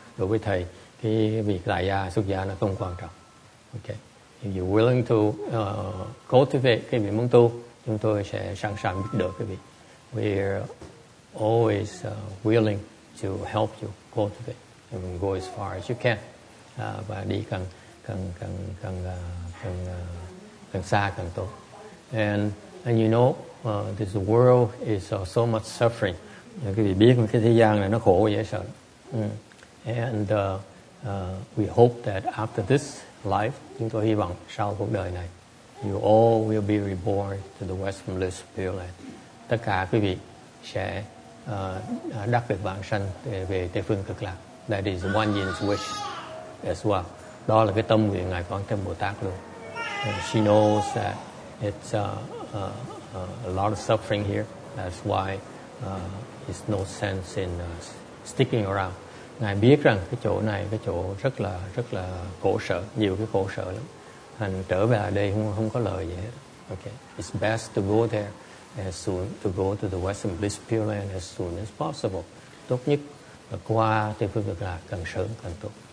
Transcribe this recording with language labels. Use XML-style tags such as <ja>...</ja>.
<vi>Đối với thầy, cái việc tại gia xuất gia nó không quan trọng. Okay.</vi> <en>If you're willing to cultivate</en> <vi>cái việc muốn tu, chúng tôi sẽ sẵn sàng giúp đỡ cái việc.</vi> <en>We're always willing to help you cultivate and go as far as you can.</en> <vi>Và đi càng xa càng tốt.</vi> <en>And you know, this world is so much suffering.</en> <vi>quý vị biết cái thế gian này nó khổ dễ sợ.</vi> <en>And we hope that after this life,</en> <vi>chúng tôi hy vọng sau cuộc đời này,</vi> <en>you all will be reborn to the Western Bliss Pure.</en> <vi>Tất cả quý vị sẽ đắc được vãng sanh về Tây Phương Cực Lạc.</vi> <en>That is one Yin's wish as well.</en> <vi>Đó là cái tâm nguyện ngài Quán Thế Âm Bồ Tát luôn.</vi> <en>She knows that it's a lot of suffering here. That's why it's no sense in sticking around.</en> <vi>Ngài biết rằng cái chỗ này cái chỗ rất là khổ sở, nhiều cái khổ sở lắm. Thành trở về đây không có lời gì hết. Okay.</vi> <en>It's best to go there as soon to go to the Western Bliss Pure Land as soon as possible.</en> <vi>Tốt nhất là qua Tây Phương Cực Lạc càng sớm càng tốt.</vi>